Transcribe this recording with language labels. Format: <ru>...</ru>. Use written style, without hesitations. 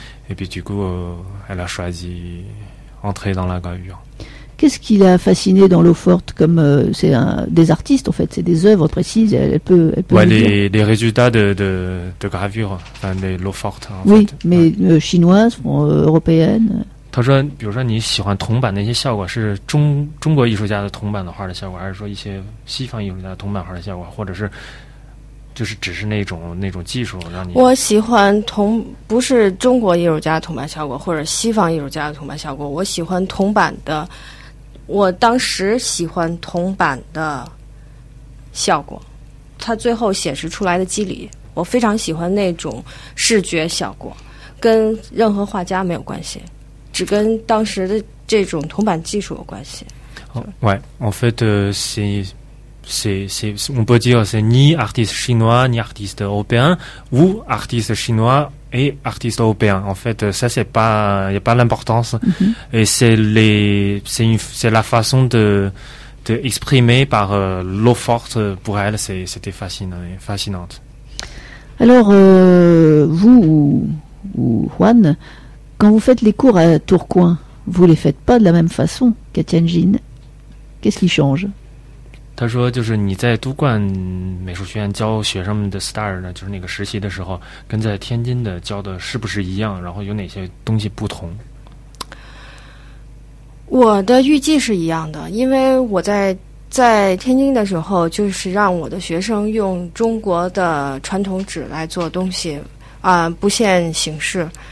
<fr>Et puis du coup, elle a choisi d'entrer dans la gravure. Qu'est-ce qui l'a fasciné dans l'eau forte? Comme c'est des artistes, en fait, c'est des œuvres précises. Elle peut ouais, les résultats de gravure, enfin, de l'eau forte. Oui, fait. Mais chinoise, européenne.</fr> <zh>他说比如说你喜欢铜板的一些效果是中国艺术家的铜板的画的效果，还是说一些西方艺术家的铜板画的效果，或者是就是只是那种技术让你？我喜欢不是中国艺术家的铜板效果或者西方艺术家的铜板效果，我喜欢铜板的，我当时喜欢铜板的效果，它最后显示出来的肌理，我非常喜欢那种视觉效果，跟任何画家没有关系，只跟当时的这种铜板技术有关系。</zh> <fr>Ouais, en fait, c'est on peut dire c'est ni artiste chinois ni artiste européen, ou artiste chinois et artiste européen. En fait, ça c'est pas, il y a pas l'importance. Mm-hmm. Et c'est la façon de exprimer par l'eau forte pour elle, c'était fascinant. Alors vous ou Juan, quand vous faites les cours à Tourcoing, vous les faites pas de la même façon qu'à Tianjin. Qu'est-ce qui change ?</fr> <zh>他说就是你在都冠美术学院教学生们的 style 呢，就是那个实习的时候跟在天津的教的是不是一样，然后有哪些东西不同？我的预计是一样的，因为我在天津的时候就是让我的学生用中国的传统纸来做东西，不限形式。</zh>